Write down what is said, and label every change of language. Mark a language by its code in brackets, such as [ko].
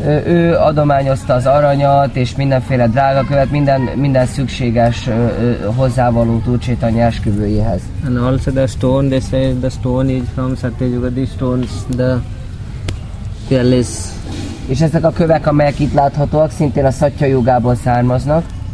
[hu] Ő adományozta az aranyat és mindenféle drága követ, minden szükséges hozzávaló Úr Chaitanya esküvőjéhez. [en] And also the stone, they say the stone is from Satyayugadi stones, the palace. [hu] És ezek a kövek, amelyek itt láthatóak, szintén a Satyayugából származnak.